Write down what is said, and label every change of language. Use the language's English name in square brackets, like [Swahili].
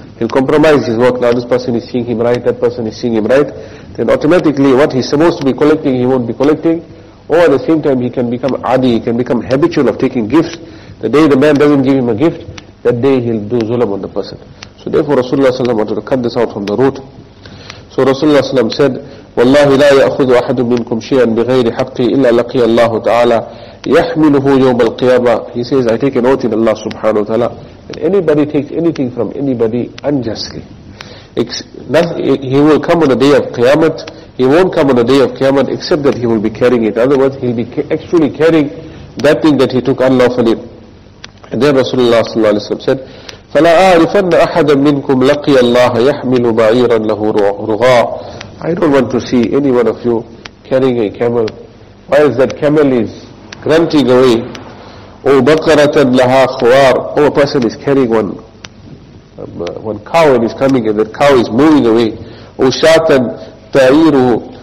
[English] He'll compromise his work. Now this person is seeing him right, that person is seeing him right. Then automatically what he's supposed to be collecting, he won't be collecting. Or at the same time, he can become adi, he can become habitual of taking gifts. The day the man doesn't give him a gift, that day he'll do zulam on the person. So therefore Rasulullah sallam wanted to cut this out from the root. [Arabic] So Rasulullah sallam said, وَاللَّهِ لَا يَأْخُذُ أَحَدٌ مِّنْكُمْ شِيئًا بِغَيْرِ حَقِّهِ إِلَّا لَقِيَ اللَّهُ تَعَالَى يَحْمِلُهُ يَوْمَ الْقِيَامَةِ. [English] He says, I take an oath in Allah subhanahu wa ta'ala, and anybody takes anything from anybody unjustly, he will come on the day of Qiyamah. He won't come on the day of Qiyamah except that he will be carrying it. In other words, he'll be actually carrying that thing that he took unlawfully. [Arabic] And then Rasulullah sallallahu alayhi wa sallam said, فَلَا أَعْرِفَنَّ أَحَدًا مِّنْكُمْ لَقِيَ اللَّهَ يَحْمِلُ بَعِيرًا لَهُ رُغَاءً. [English] I don't want to see any one of you carrying a camel whilst that camel is grunting away. [Arabic] أو بقرة لها خوار. [English] Oh, a person is carrying one cow and is coming and that cow is moving away. [Arabic] أو شاتن تعيره.